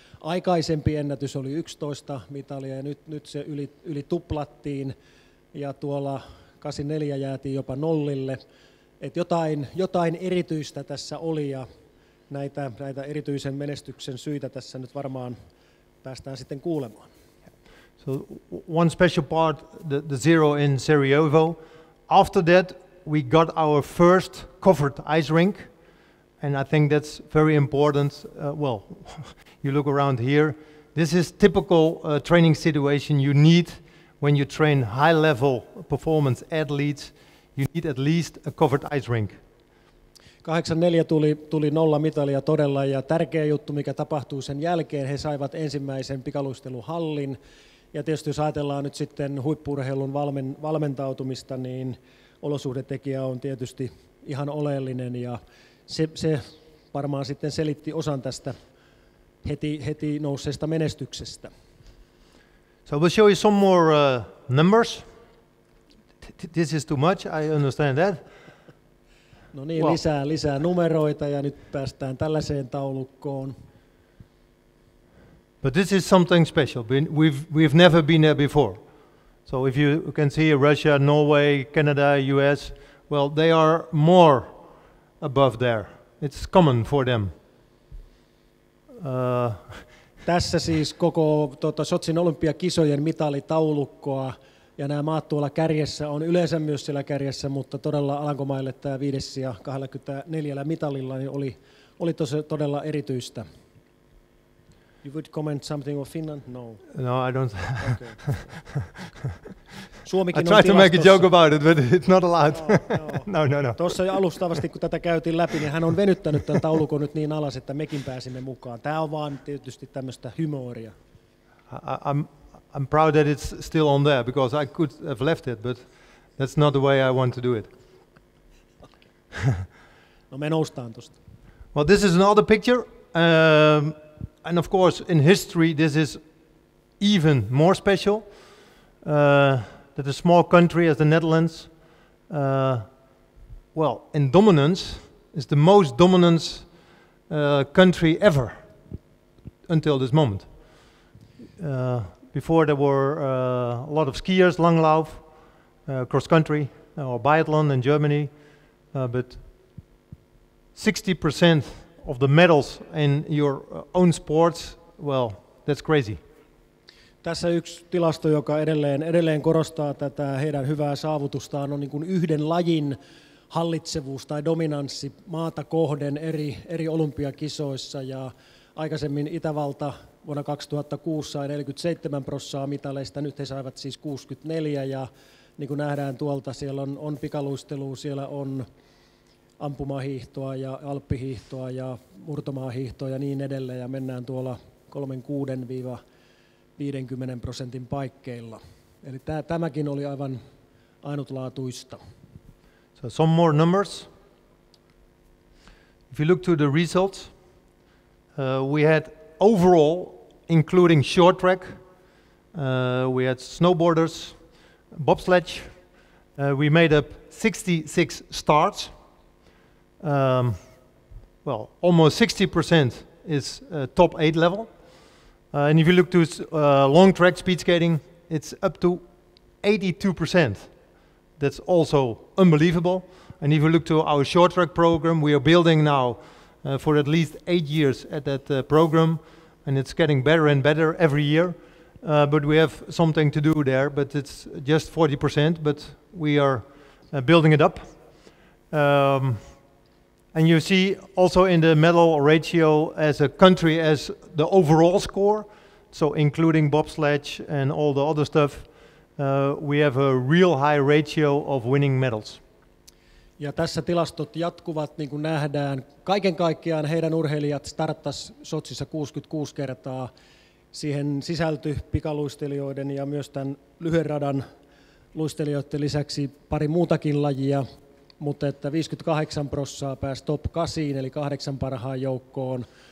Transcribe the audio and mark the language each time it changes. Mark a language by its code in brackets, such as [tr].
[fi] Aikaisempi ennätys oli 11 mitalia ja nyt se yli tuplattiin ja tuolla 84 jäätiin jopa nollille. Et jotain erityistä tässä oli ja näitä erityisen menestyksen syitä tässä nyt varmaan päästään sitten kuulemaan. [en] So one special part, the zero in Sarajevo. After that, we got our first covered ice rink, and I think that's very important. Well, you look around here, this is typical training situation you need when you train high-level performance athletes. You need at least a covered ice rink. [fi] 84 tuli nolla mitalia todella, ja tärkeä juttu, mikä tapahtuu sen jälkeen, he saivat ensimmäisen pikaluisteluhallin. Ja tietysti jos ajatellaan nyt sitten huippu-urheilun valmentautumista, niin olosuhdetekijä on tietysti ihan oleellinen ja se varmaan sitten selitti osan tästä heti nousseesta menestyksestä. [en] So we'll show you some more numbers. This is too much, I understand that. [fi] No niin, well, lisää numeroita ja nyt päästään tällaiseen taulukkoon. [en] But this is something special. We've never been there before. So if you can see Russia, Norway, Canada, US, well, they are more above there. It's common for them. [fi] Tässä siis koko Sotsin olympiakisojen mitalitaulukkoa, ja nämä maat tuolla kärjessä on yleensä myös siellä kärjessä, mutta todella Alankomaille tämä 5.24 mitalilla niin oli tosi todella erityistä. [en] You would comment something of Finland? No. No, I don't. [fi] Okay. Suomikin [en] I tried to make a joke about it, but it's not allowed. No. [fi] Tuossa jo alustavasti, kun tätä käytiin läpi, niin hän on venyttänyt tämän taulukon nyt niin alas, että mekin pääsimme mukaan. Tämä on vaan tietysti tämmöistä humoria. [en] I'm proud that it's still on there, because I could have left it, but that's not the way I want to do it. [fi] No, me noustaan tuosta. [en] Well, this is another picture. And of course, in history, this is even more special that a small country as the Netherlands, well, in dominance, is the most dominant country ever until this moment. Before there were a lot of skiers, Langlauf, cross-country, or biathlon in Germany, but 60% of the medals in your own sports, well, that's crazy. [fi] Tässä yksi tilasto, joka edelleen korostaa tätä heidän hyvää saavutustaan, on niin kuin yhden lajin hallitsevuus tai dominanssi maata kohden eri olympiakisoissa. Ja aikaisemmin Itävalta vuonna 2006 sai 47% mitaleista, nyt he saivat siis 64. Ja niin kuin nähdään tuolta, siellä on pikaluistelua, siellä on ampumahiihtoa ja alppihiihtoa ja murtomaahiihtoa ja niin edelleen, ja mennään tuolla 36-50% paikkeilla. Eli tämäkin oli aivan ainutlaatuista. [en] So some more numbers. If you look to the results, we had overall, including short track, we had snowboarders, bobsledge, we made up 66 starts. well, almost 60% is top 8 level. And if you look to long track speed skating, it's up to 82%. That's also unbelievable. And if you look to our short track program, we are building now for at least 8 years at that program, and it's getting better and better every year. But we have something to do there, but it's just 40%, but we are building it up. And you see also in the medal ratio as a country, as the overall score, so including bobsledge and all the other stuff, we have a real high ratio of winning medals. [fi] Ja tässä tilastot jatkuvat, niin kuin nähdään. Kaiken kaikkiaan heidän urheilijat starttas Sotsissa 66 kertaa. Siihen sisältyi pikaluistelijoiden ja myös tämän lyhyen radan luistelijoiden lisäksi pari muutakin lajia, mutta että 58% pääsi top 8, eli 8 parhaan joukkoon.